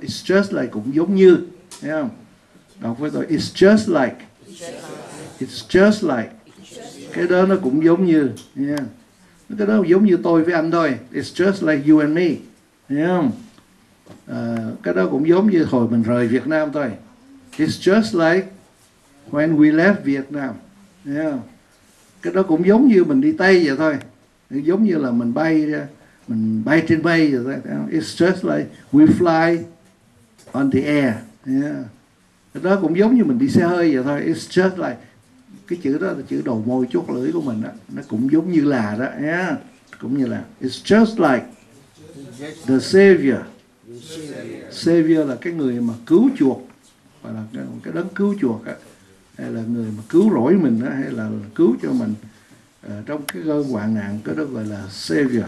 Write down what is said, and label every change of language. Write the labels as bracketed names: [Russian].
[English] It's just like [Vietnamese] cũng giống như. Đọc với tôi. [English] It's just like. It's just like. [Vietnamese] Cái đó nó cũng giống như. Cái đó giống như tôi với anh thôi. [English] It's just like you and me. [Vietnamese] Thấy không? Cái đó cũng giống như hồi mình rời Việt Nam thôi. [English] It's just like when we left Vietnam. [Vietnamese] Thấy không? Cái đó cũng giống như mình đi Tây vậy thôi. Giống như là mình bay ra. Mình bay trên bay vậy thôi. [English] It's just like we fly on the air. [Vietnamese] Cái đó cũng giống như mình đi xe hơi vậy thôi. [English] It's just like. [Vietnamese] Cái chữ đó là chữ đầu môi chốt lưỡi của mình đó, nó cũng giống như là đó nhé, cũng như là [English] it's just like the savior. [Vietnamese] Savior là cái người mà cứu chuộc, hoặc là cái đấng cứu chuộc á, hay là người mà cứu rỗi mình á, hay là cứu cho mình trong cái cơn hoạn nạn, cái đó gọi là savior.